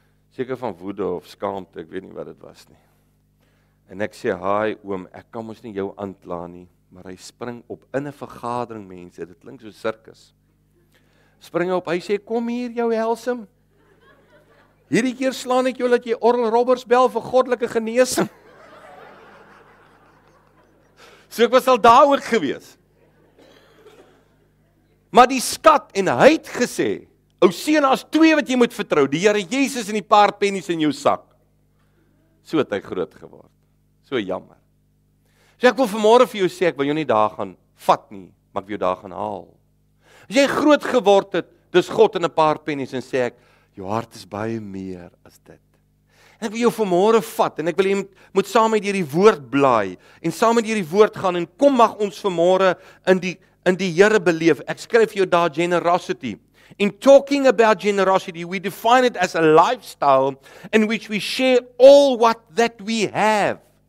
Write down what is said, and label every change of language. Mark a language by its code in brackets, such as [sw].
[af] Seker van woede of skaamte, ek weet nie wat dit was nie. En ek sê, "Haai oom, ek kan mos nie jou aankla nie," maar hy spring op in 'n vergadering mense, dit klink so sirkus. Spring op, hy sê, "Kom hier jou helsem. Hierdie keer slaan ek jou dat jy Oral Roberts bel vir goddelike geneesing." So ek was al daar ook gewees. Maar die skat, en hy het gesê, "Ou seun, as twee wat jy moet vertrou, die Here Jesus en die paar pennies in jou sak." So het hy groot geword. So jammer. So ek wil vanmôre vir jou sê, ek wil jou nie daar gaan vat nie, maar ek wil jou daar gaan haal. As jy groot geword het, dis God en 'n paar pennies, en sê ek, jou hart is baie meer as dit. En ek wil jou vanmôre vat, en ek wil jy moet saam met hierdie woord blaai, en saam met hierdie woord gaan, en kom mag ons vanmôre in die Here beleef. Ek skryf jou daar generosity. [en] In talking about generosity, we define it as a lifestyle in which we share all what that we have.